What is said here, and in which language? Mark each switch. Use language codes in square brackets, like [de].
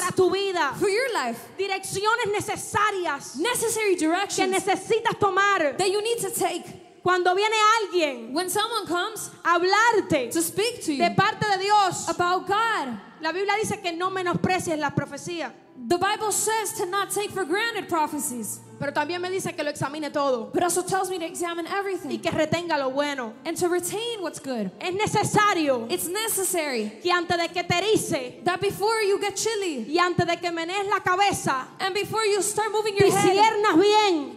[es] para tu vida, [en] for your life, [es] direcciones necesarias, [en] necessary directions, [es] que necesitas tomar, [en] that you need to take. [es] Cuando viene alguien, [en] when someone comes, [es] hablarte, [en] to speak to you, [es] de parte de Dios, [en] about God. [es] La Biblia dice que no menosprecies la profecía. [en] The Bible says to not take for granted prophecies. [es] Pero también me dice que lo examine todo. [en] But also tells me to examine everything. [es] Y que retenga lo bueno. [en] And to retain what's good. [es] Es necesario. [en] It's necessary. [es] Que antes de que te erice, [en] that before you get chilly. [es] Y antes de que menees la cabeza, [en] and before you start moving your head. [es] Disciernas bien.